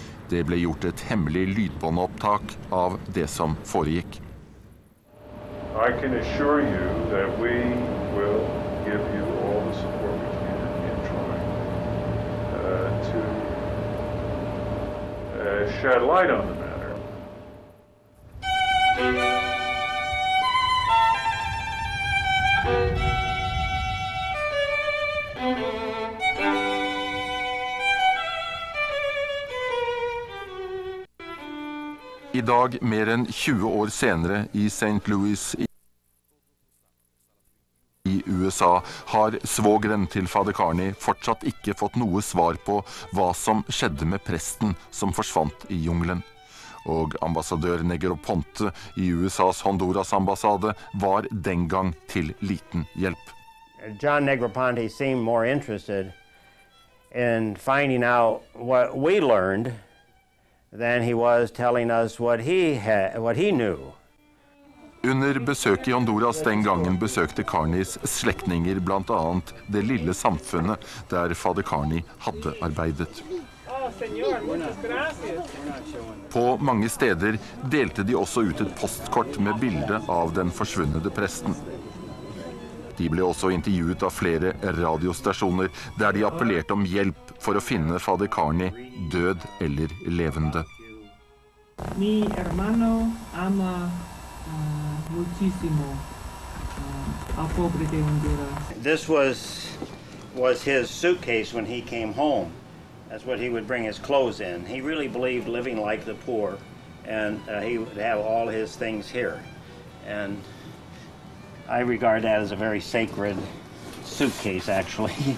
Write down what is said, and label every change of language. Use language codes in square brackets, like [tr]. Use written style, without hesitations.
[no] Det ble gjort et hemmelig lydbåndopptak av det som foregikk. [en] I can assure you that we will give you all the support we can in trying to shed light on the matter. [no] I dag, mer enn 20 år senere, i St. Louis i USA, har svogeren til Fader Carney fortsatt ikke fått noe svar på hva som skjedde med presten som forsvant i junglen. Og ambassadør Negroponte i USAs Honduras ambassade var den gang til liten hjelp. [en] John Negroponte seemed more interested in finding out what we learned than he was telling us what he knew. [no] Under besøk i Honduras den gangen besøkte Carneys slektninger blant annet det lille samfunnet der Fader Carney hadde arbeidet. På mange steder delte de også ut et postkort med bilde av den forsvunnede presten. De ble også intervjuet av flere radiostasjoner der de appellerte om hjelp for å finne Fader Carney død eller levende. [es] Mi hermano ama muchísimo a pobre de Honduras. [en] This was his suitcase when he came home. That's what he would bring his clothes in. He really believed living like the poor, and he would have all his things here. And I regard that as a very sacred suitcase, actually.